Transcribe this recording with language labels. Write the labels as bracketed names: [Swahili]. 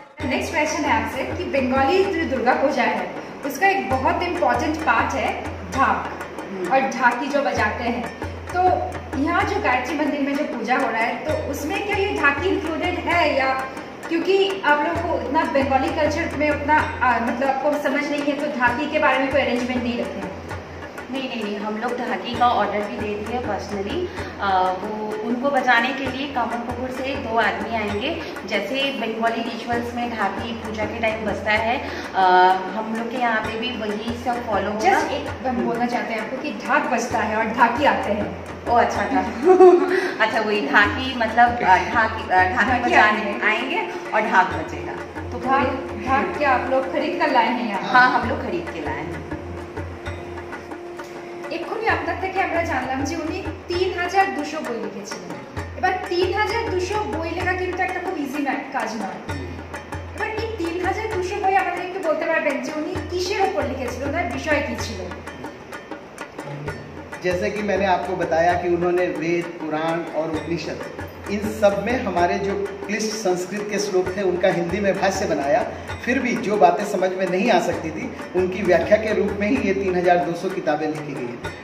[Bangla] Next কোয়েশ্চনে আছে কি Bengali যে দুর্গা পূজা [Hindi] হ্যাঁ উসকা এক বহুত ইম্পর্টেন্ট পার্ট হ্যায় ঢাক, আর ঢাকি জো বাজাতে হ্যায়, তো ইয়াঁ জো গায়ত্রী মন্দির মে জো পূজা হো রাহা হ্যায় তো উসমে ক্যা ইয়ে ঢাকি ইনক্লুডেড হ্যায়, ইয়া ক্যুঁকি আপ লোগোঁকো উতনা বেঙ্গলি কালচার মে উতনা মতলব আপকো সমঝ নেই হ্যায় তো ঢাকি কে বারে মে কোই অ্যারেঞ্জমেন্ট নেই রাখে? नहीं नहीं नहीं, हम लोग ढाकी का ऑर्डर भी दे दिए पर्सनली, वो उनको बजाने के लिए कामन कपूर से 2 आदमी आएंगे। जैसे बंगाली रिचुअल्स में ढाकी पूजा के टाइम बजता है, हम लोग के यहाँ पे भी वही सब फॉलो होगा। जस्ट एक हम बोलना चाहते हैं आपको कि ढाक बजता है और ढाकी आते हैं। ओ अच्छा था। अच्छा, वही ढाकी मतलब ढाकी ढाकी बजाने आएंगे और ढाक बजेगा, तो ढाक क्या आप लोग खरीद कर लाए हैं यहाँ? हाँ, हम लोग खरीद के लाए हैं। [Bangla] এক্ষুনি আপনার থেকে আমরা জানলাম যে উনি 3200 বই লিখেছিলেন। এবার 3200 বই লেখা কিন্তু একটা খুব ইজি কাজ নয়। এবার এই 3000 আচ্ছা তুষার ভাই আমাদের একটু বলতে পারবেন যে উনি কিসের উপর লিখেছিলেন, তার বিষয় কি ছিল? [Hindi] जैसे कि मैंने आपको बताया कि उन्होंने वेद पुराण और उपनिषद इन सब में हमारे जो क्लिष्ट संस्कृत के श्लोक थे उनका हिंदी में भाष्य बनाया, फिर भी जो बातें समझ में नहीं आ सकती थी उनकी व्याख्या के रूप में ही ये 3200 किताबें लिखी गई हैं।